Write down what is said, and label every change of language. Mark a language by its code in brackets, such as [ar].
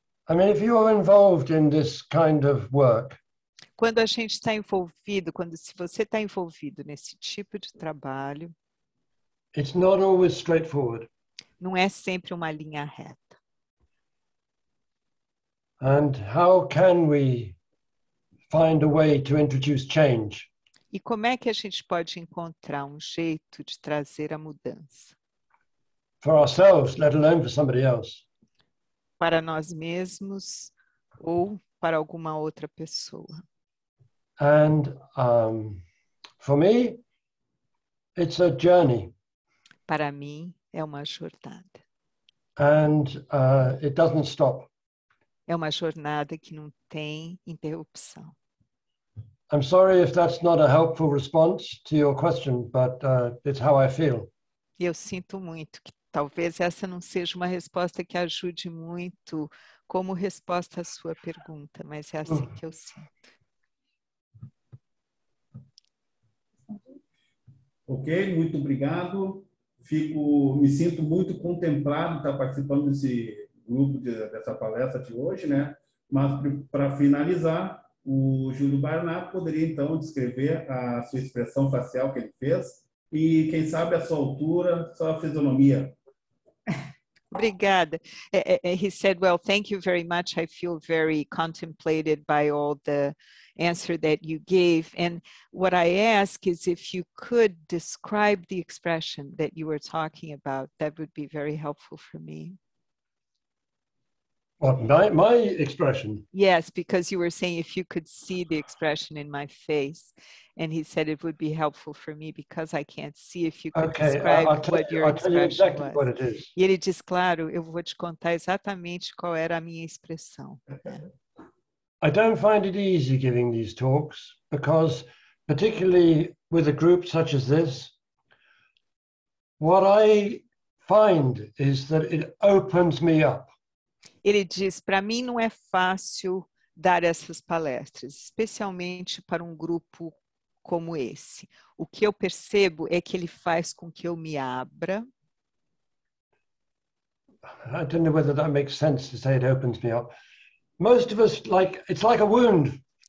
[en] I mean, if you are involved in this kind of work. [pt] Quando a gente está envolvido, quando se você está envolvido nesse tipo de trabalho. [en] It's not always straightforward. [pt] Não é sempre uma linha reta. [en] And how can we find a way to introduce change? [pt] E como é que a gente pode encontrar um jeito de trazer a mudança? [en] For ourselves, let alone for somebody else. [pt] Para nós mesmos ou para alguma outra pessoa. [en] And for me, it's a journey. [pt] Para mim, é uma jornada. [en] And it doesn't stop. [pt] É uma jornada que não tem interrupção. [en] I'm sorry if that's not a helpful response to your question, but it's how I feel. [pt] Eu sinto muito que talvez essa não seja uma resposta que ajude muito como resposta à sua pergunta, mas é assim que eu sinto. Ok, muito obrigado. Me sinto muito contemplado estar participando desse, grupo de, dessa palestra de hoje, né? Mas para finalizar, o Júlio Barnard poderia então descrever a sua expressão facial que ele fez e quem sabe a sua altura, sua fisionomia. Obrigada. [en] He said, well, thank you very much. I feel very contemplated by all the answer that you gave. And what I ask is if you could describe the expression that you were talking about, that would be very helpful for me. My expression? Yes, because you were saying if you could see the expression in my face. And he said it would be helpful for me because I can't see if you could describe what your expression was. I'll tell you exactly what it is. [pt] E ele diz, claro, eu vou te contar exatamente qual era a minha expressão. [en] I don't find it easy giving these talks because particularly with a group such as this, what I find is that it opens me up. [pt] Ele diz, para mim não é fácil dar essas palestras, especialmente para um grupo como esse. O que eu percebo é que ele faz com que eu me abra. [en] I don't know whether that makes sense to say it opens me up. Most of us, like, it's like a wound.